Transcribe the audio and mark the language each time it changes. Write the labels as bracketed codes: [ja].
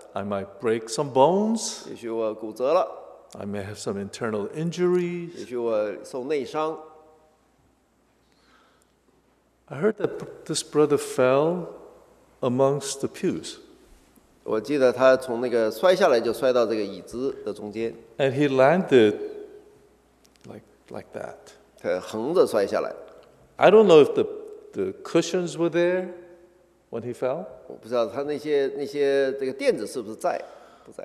[en] I might break some bones. [zh] 也许我骨折了。 [en] I may have some internal injuries. [zh] 也许我受内伤。 [en] I heard that this brother fell amongst the pews. [zh] 我记得他从那个摔下来就摔到这个椅子的中间。 [en] And he landed like that. [zh] 他横着摔下来。 [en] I don't know if the cushions were there when he fell. [zh] 我不知道他那些这个垫子是不是在，不在。